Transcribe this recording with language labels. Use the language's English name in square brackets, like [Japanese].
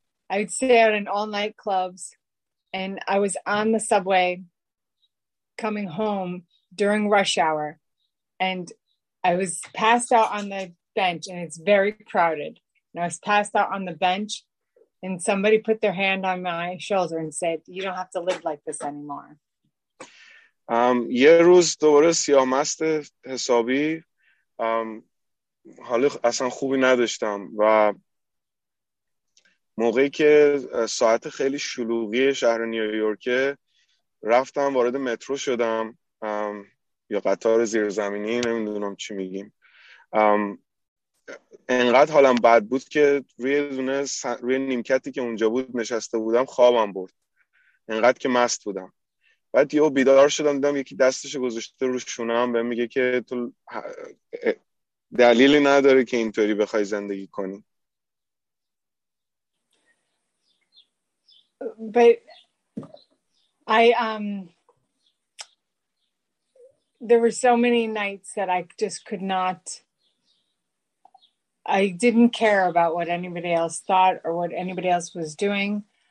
[English] I'd stay out in all night clubs, and I was on the subway coming home during rush hour, and I was passed out on the bench, and it's very crowded. And I was passed out on the bench, and somebody put their hand on my shoulder and said, "You don't have to live like this anymore." [Persian] یه روز دوباره سیاه مست حسابی. حالا اصلا خوبی نداشتم و موقعی که ساعت خیلی شلوغی شهر نیویورک رفتم وارد مترو شدم یا قطار زیرزمینی نمیدونم چی میگیم، انقدر حالم بد بود که روی نیمکتی که اونجا بود نشسته بودم خوابم برد، انقدر که مست بودم. بعد یهو بیدار شدم دیدم یکی دستش گذاشته رو شونم بهم میگه که تو دلیلی نداره که اینطوری بخوای زندگی کنی. [English] But there were so many nights that I just could not, I didn't care about what anybody else thought or what anybody else was doing.